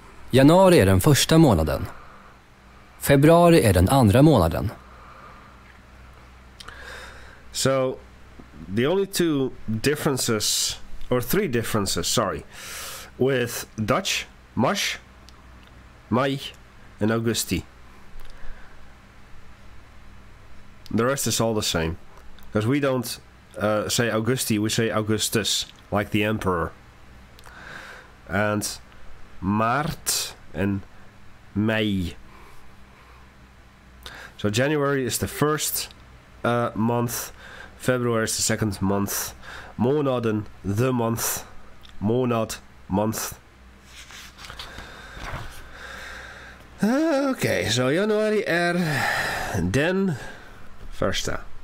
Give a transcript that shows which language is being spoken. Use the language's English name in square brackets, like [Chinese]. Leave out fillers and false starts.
[Swedish] Januari är den första månaden. Februari är den andra månaden. [English] So, the only two differences, or three differences, sorry, with Dutch, mars, maj and augusti. The rest is all the same. Because we don't say Augusti, we say Augustus, like the emperor. And maart and mei. So January is the first month, February is the second month, månaden the month, månad month. Okay, so January [Swedish] är den första.